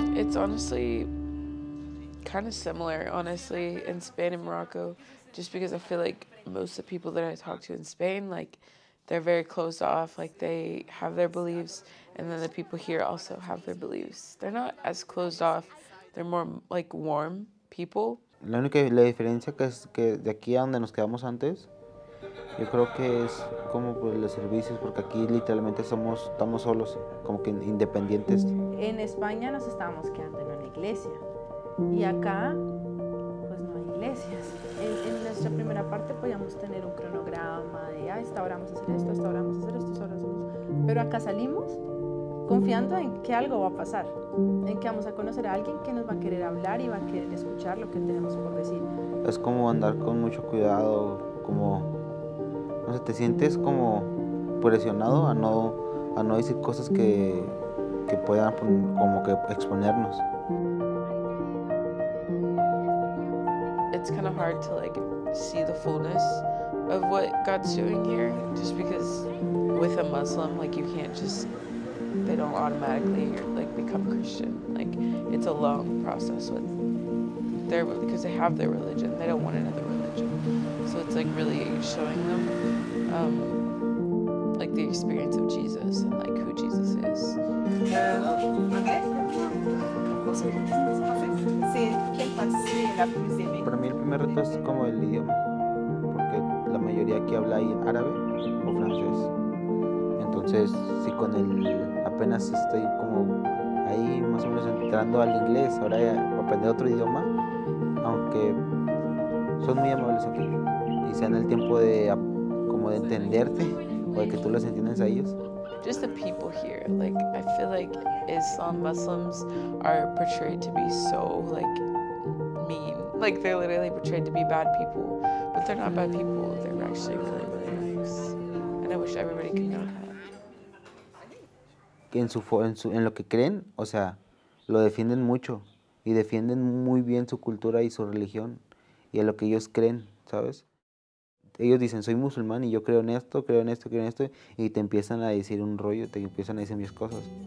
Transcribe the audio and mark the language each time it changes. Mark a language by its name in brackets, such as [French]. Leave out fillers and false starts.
[English] kind of similar, honestly, in Spain and Morocco, just because I feel like most of the people that I talk to in Spain, like, they're very closed off, like, they have their beliefs, and then the people here also have their beliefs. They're not as closed off, they're more, like, warm people. [Spanish] La única la diferencia que es que de aquí a donde nos quedamos antes, yo creo que es como pues, los servicios, porque aquí literalmente somos, estamos solos, como que independientes. En España nos estábamos quedando en una iglesia, y acá, pues no hay iglesias. En nuestra primera parte podíamos tener un cronograma de, ah, esta hora vamos a hacer esto, esta hora vamos a hacer esto, esta hora vamos a hacer esto. Pero acá salimos confiando en que algo va a pasar, en que vamos a conocer a alguien que nos va a querer hablar y va a querer escuchar lo que tenemos por decir. Es como andar con mucho cuidado, como, no sé, te sientes como presionado a no decir cosas que puedan como que exponernos. [English] It's kind of hard to like see the fullness of what God's doing here, just because with a Muslim, like you can't just, they don't automatically like become Christian. Like it's a long process with their, because they have their religion, they don't want another religion. So it's like really showing them like the experience of Jesus and like who Jesus is. [Spanish] Para mí el primer reto es como el idioma, porque la mayoría aquí habla árabe o francés. Entonces, sí, con el apenas estoy como ahí más o menos entrando al inglés, ahora ya aprender otro idioma, aunque son muy amables aquí y se dan el tiempo de como de entenderte o de que tú los entiendas a ellos. [English] Just the people here, like I feel like Islam Muslims are portrayed to be so like mean, like they're literally portrayed to be bad people, but they're not bad people, they're actually really, really nice, and I wish everybody could know that. [Spanish] En lo que creen, o sea, lo defienden mucho y defienden muy bien su cultura y su religión y en lo que ellos creen, ¿sabes? Ellos dicen, soy musulmán y yo creo en esto, creo en esto, creo en esto, y te empiezan a decir un rollo, te empiezan a decir mis cosas.